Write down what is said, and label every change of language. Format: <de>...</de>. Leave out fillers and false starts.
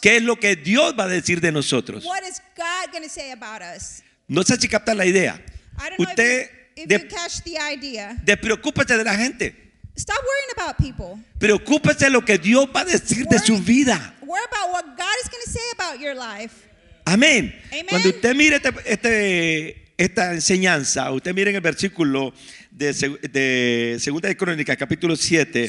<es>¿Qué es lo que Dios va a decir de nosotros?</es> <en>What is God going to say about us?</en> <es>No sé si capta la idea.</es> <en>I don't</en> <es>usted</es> <en>know if you catch the idea.</en> <es>Despreocúpate de la gente.</es> <en>Stop worrying about people.</en> <es>Preocúpese de lo que Dios va a decir de su vida.</es> <en>Worry about what God is going to say about your life.</en> <es>Amén.</es> <en>Amen.</en> <es>Cuando usted mire esta enseñanza, usted mire en el versículo de Segunda de Crónicas, capítulo 7.</es>